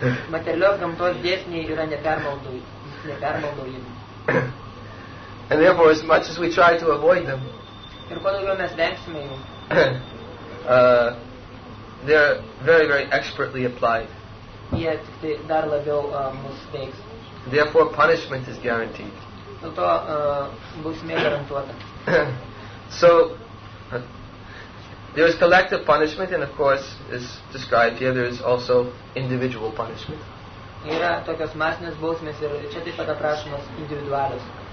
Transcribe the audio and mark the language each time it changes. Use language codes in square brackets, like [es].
[lt] Materialios gamtos dėsniai yra nepermaldaujami. [en] And therefore, as much as we try to avoid them, [lt] ir kuo daugiau mes vengsime jų, [en] they're very, very expertly applied. [lt] Jie tik tai dar labiau mus veiks. [en] Therefore, punishment is guaranteed. [lt] Dėl to bausmė garantuota. [en] So, there is collective punishment, and of course, as described here, there is also individual punishment. [lt] Yra tokios masinės bausmės ir čia taip pat aprašomos individualios.